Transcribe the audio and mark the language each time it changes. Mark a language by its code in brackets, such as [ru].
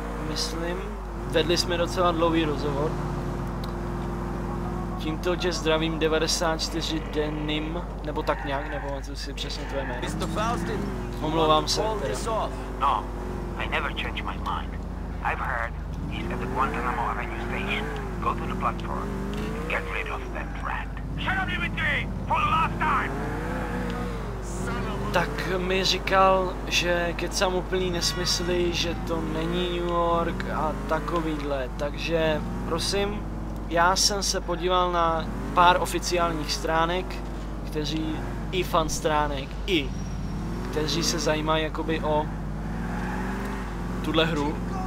[cs] Myslím, vedli jsme docela dlouhý rozhovor. Tímto tě zdravím 94 denim, nebo tak nějak, nebo co si přesně tvoje jméno. Omlouvám se. [en] No, I never change my mind. I've heard he's at the Guantanamo Avenue station. Go to the platform and get rid of that rat. Shut up, Dimitri! For the last time! [cs] Tak mi říkal, že kecám úplný nesmysly, že to není New York a takovýhle. Takže prosím, já jsem se podíval na pár oficiálních stránek, kteří i fan stránek, i kteří se zajímají jakoby o tuhle hru.